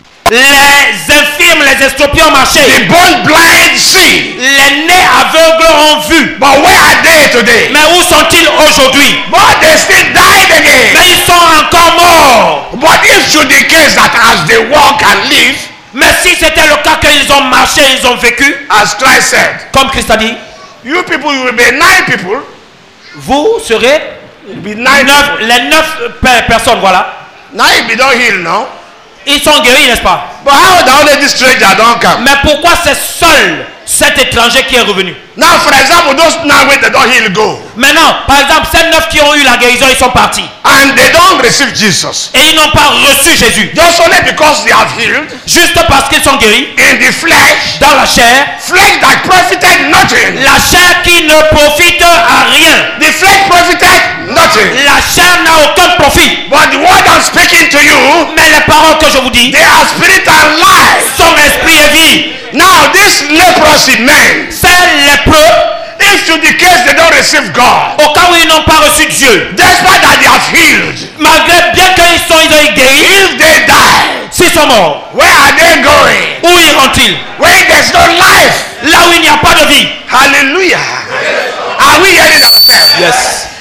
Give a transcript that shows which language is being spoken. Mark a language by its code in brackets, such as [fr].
[fr] Les infirmes, les estropiés ont marché. [en] The born blind see. [fr] Les nés aveugles ont vu. [en] But where are they today? [fr] Mais où sont-ils aujourd'hui? [en] But they still died again. [fr] Mais ils sont encore morts. [en] But if should the case that as they walk and live. [fr] Mais si c'était le cas qu'ils ont marché, ils ont vécu. [en] As Christ said. [fr] Comme Christ a dit. [en] You people, you will be 9 people. [fr] Vous serez les neuf personnes, voilà. [en] Now if they don't heal, no? [fr] Ils sont guéris, n'est-ce pas? [en] But how the only stranger don't come? [fr] Mais pourquoi c'est seul cet étranger qui est revenu? [en] Now, for example, those 9 with the don't heal go. [fr] Maintenant, par exemple, ces 9 qui ont eu la guérison, ils sont partis. [en] And they don't receive Jesus. [fr] Et ils n'ont pas reçu Jésus. [en] Just only because they have healed. [fr] Juste parce qu'ils sont guéris. [en] In the flesh. [fr] Dans la chair. [en] Flesh that profited nothing. [fr] La chair qui ne profite à rien. [en] The flesh profited nothing. [fr] La chair n'a aucun profit. [en] But the word I'm speaking to you. [fr] Mais les paroles que je vous dis. [en] They are spirit and life. [fr] Sont esprit et vie. [en] Now this leprosy man. [fr] C'est lépreux. [en] If to the case they don't receive God. [fr] Au cas où ils n'ont pas reçu Dieu. [en] Despite that they have healed. [fr] Malgré bien qu'ils soient ils ont guéri. [en] If they die. [fr] S'ils sont morts. [en] Where are they going? [fr] Où iront-ils? [en] Where there's no life. [fr] Là où il n'y a pas de vie. [en] Hallelujah. Are we hearing ourselves? Yes.